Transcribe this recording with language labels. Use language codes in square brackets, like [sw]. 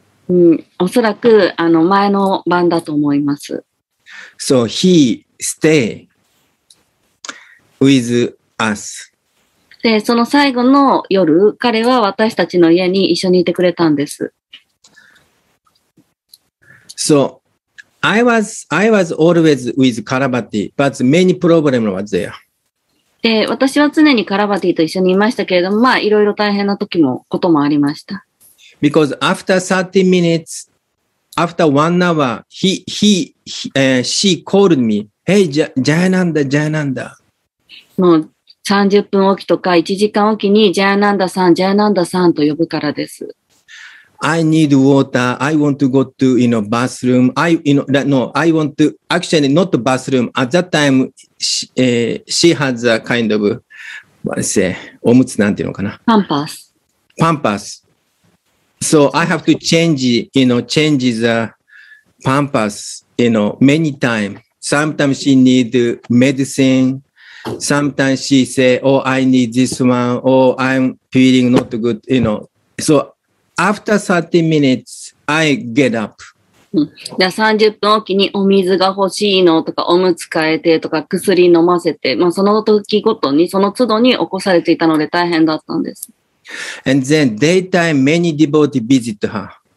[ja] うん、おそらく、前の晩だと思います。 [en] So, he stay with us. [ja] で、その最後の夜、彼は私たちの家に一緒にいてくれたんです。 [en] So, I was always with Karabati, but many problems was there. [ja] で、私は常にカラバティと一緒にいましたけれども、まあ、いろいろ大変な時も、こともありました。 [en] Because after 30 minutes, after one hour, she called me, Hey, Jayananda, Jayananda. [ja] もう30分おきとか1時間おきにジャーナンダさん、ジャーナンダさんと呼ぶからです。 [en] I need water. I want to go to, you know, bathroom. I, you know, that, no, I want to, actually not the bathroom. At that time, she has a kind of, what is it? [ja] おむつなんていうのかな? [en] Pampas. So I have to change, you know, change the pampas, you know, many times. Sometimes she need medicine. Sometimes she say, oh, I need this one, oh, I'm feeling not good, you know. So after 30 minutes, I get up. [ja] 30分おきにお水が欲しいのとか、おむつ替えてとか、薬飲ませて、まあ、その時ごとに、その都度に起こされていたので大変だったんです。 [en] And then daytime, many devotees visit her.